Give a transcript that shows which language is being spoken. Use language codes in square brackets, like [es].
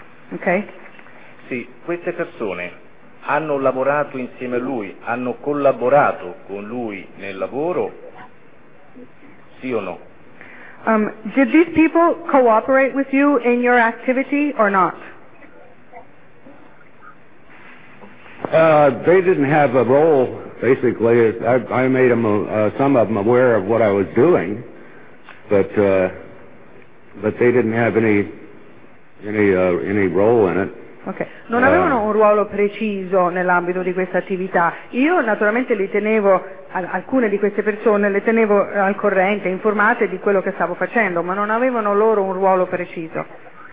[it] Ok? Sì, queste persone hanno lavorato insieme a lui, hanno collaborato con lui nel lavoro, sì o no? [en] Did these people cooperate with you in your activity or not? They didn't have a role, basically. I made them, some of them aware of what I was doing, but they didn't have any role in it. Okay. [it] Non avevano un ruolo preciso nell'ambito di questa attività. Io naturalmente li tenevo, alcune di queste persone le tenevo al corrente, informate di quello che stavo facendo, ma non avevano loro un ruolo preciso.